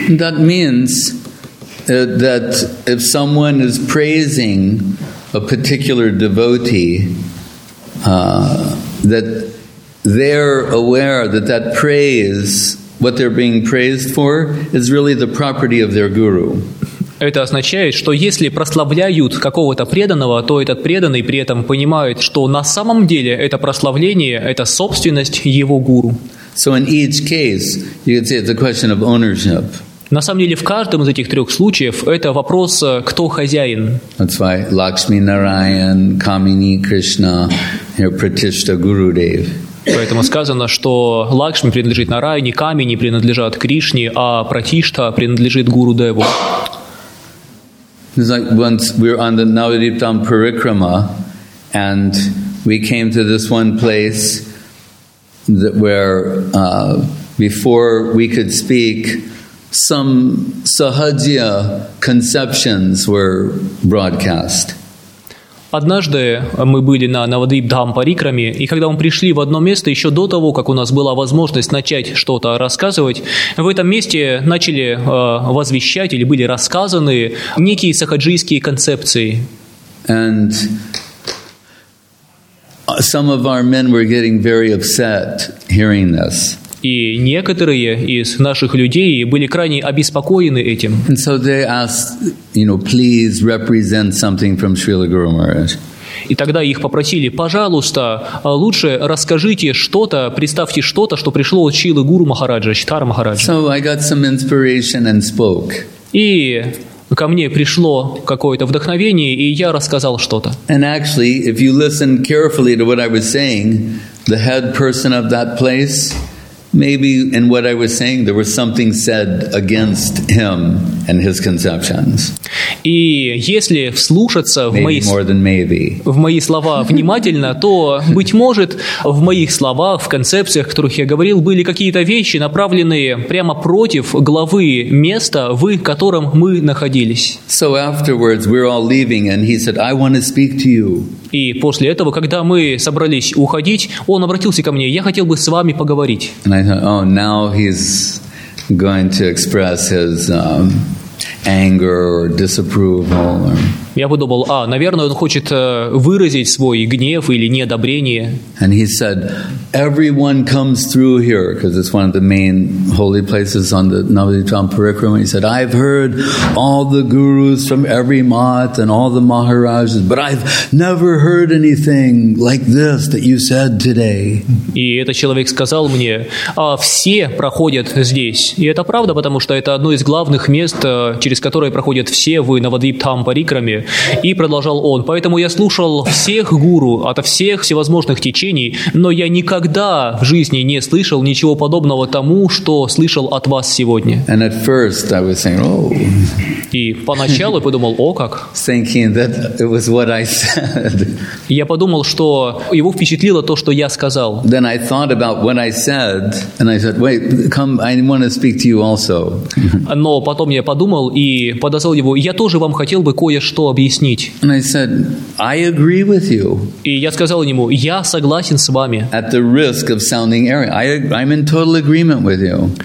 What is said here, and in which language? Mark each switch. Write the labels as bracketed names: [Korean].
[English] That means that if someone is praising a particular devotee, that they're aware that that praise, what they're being praised for, is really the property of their guru. [Russian] Это означает, что если прославляют какого-то преданного, то этот преданный при этом понимает, что на самом деле это прославление – это собственность его гуру. [English] So in each case, you could say it's a question of ownership. [Russian] На самом деле, в каждом из этих трех случаев это вопрос, кто хозяин. [English] That's why Lakshmi Narayan, Kamini Krishna, Pratishtha Gurudev. [Russian] Поэтому сказано, что Лакшми принадлежит Нарайне, камени принадлежат Кришне, а Пратишта принадлежит Гуру Деву. [English] It's like once we were on the Navadvipam Parikrama, and we came to this one place that where before we could speak, some sahajya conceptions were broadcast. [Russian] Однажды мы были на Навадвипдхампарикраме, и когда мы пришли в одно место, еще до того, как у нас была возможность начать что-то рассказывать, в этом месте начали возвещать или были рассказаны некие сахаджийские концепции. [English] And some of our men were getting very upset hearing this. [Russian] И некоторые из наших людей были крайне обеспокоены этим. [English] And so they asked, you know, please represent something from Srila Guru Maharaj. [Russian] И тогда их попросили, пожалуйста, лучше расскажите что-то, представьте что-то, что пришло от Шрилы Гуру Махараджа, Читара Махараджа. [English] So I got some inspiration and spoke. [Russian] И ко мне пришло какое-то вдохновение, и я рассказал что-то. [English] And actually, if you listen carefully to what I was saying, the head person of that place, maybe in what I was saying, there was something said against him and his conceptions. [Russian] И если вслушаться в мои слова внимательно, то, быть может, в моих словах, в концепциях, которых я говорил, были какие-то вещи, направленные прямо против главы места, в котором мы находились. [English] So afterwards, we're all leaving, and he said, I want to speak to you. [Russian] И после этого, когда мы собрались уходить, он обратился ко мне, я хотел бы с вами поговорить. [English] And I thought, oh, now he's going to express his anger or disapproval. [Russian] Я подумал, а, наверное, он хочет выразить свой гнев или неодобрение. [English] And he said, everyone comes through here, because it's one of the main holy places on the Navadvipam Parikrama. He said, I've heard all the gurus from every math and all the maharajas, but I've never heard anything like this that you said today. [Russian] И этот человек сказал мне, все проходят здесь. И это правда, потому что это одно из главных мест, через которые проходят все в Навадвипам Парикраме. И продолжал он. Поэтому я слушал всех гуру, ото всех всевозможных течений, но я никогда в жизни не слышал ничего подобного тому, что слышал от вас сегодня. [English] And at first I was saying, oh. [Russian] И поначалу я подумал, о как. [English] Thinking that it was what I said. [Russian] Я подумал, что его впечатлило то, что я сказал. [English] Then I thought about what I said, and I said, wait, come, I want to speak to you also. [Russian] Но потом я подумал и подозвал его, я тоже вам хотел бы кое-что что объяснить. [English] And I said, I agree with you. [Russian] И я сказал ему, я согласен с вами. [English] At the risk of sounding arrogant. I'm in total agreement with you.